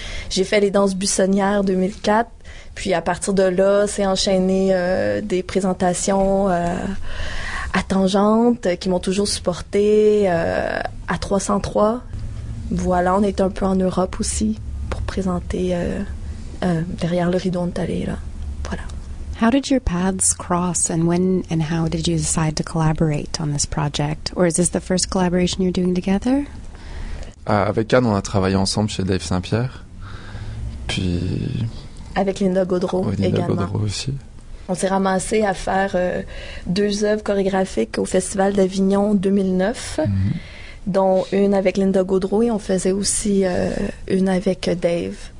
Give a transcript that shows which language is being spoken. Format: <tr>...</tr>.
<fr>J'ai fait les danses buissonnières 2004, puis à partir de là, c'est enchaîné des présentations à Tangente, qui m'ont toujours supportée, à 303. Voilà, on est un peu en Europe aussi pour présenter... derrière le rideau, on est allé là. Voilà.</fr> <en>How did your paths cross, and when and how did you decide to collaborate on this project? Or is this the first collaboration you're doing together?</en> <fr>Avec Anne, on a travaillé ensemble chez Dave Saint-Pierre. Puis... Avec Linda Gaudreau, oui, Linda également. Gaudreau aussi. On s'est ramassé à faire 2 œuvres chorégraphiques au Festival d'Avignon 2009, dont une avec Linda Gaudreau, et on faisait aussi une avec Dave.</fr>